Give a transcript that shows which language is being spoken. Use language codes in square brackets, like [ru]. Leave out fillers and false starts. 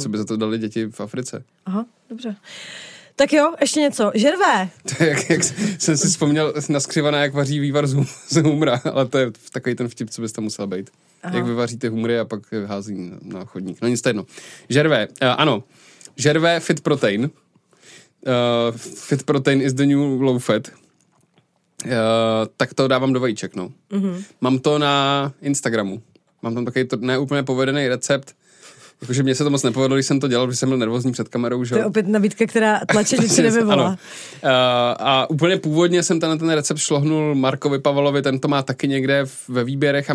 [cs] Co by za to dali děti v Africe? Aha, dobře. Tak jo, ještě něco. Žervé. To je, jak jsem si vzpomněl na skřivaná, jak vaří vývar z humra, ale to je takový ten vtip, co byste musel být. Aha. Jak vyvaříte humry a pak vyhází na chodník. No nic to jedno. Žervé, ano. Žervé fit protein. [en] Fit protein is the new low fat. [cs] Tak to dávám do vajíček, no. Uh-huh. Mám to na Instagramu. Mám tam takový neúplně povedený recept. Jakože mě se to moc nepovedlo, když jsem to dělal, když jsem byl nervózní před kamerou, že? To je opět nabídka, která tlače, že si nevyvolá. A úplně původně jsem tenhle ten recept šlohnul Markovi Pavlovi, ten to má taky někde ve výběrech.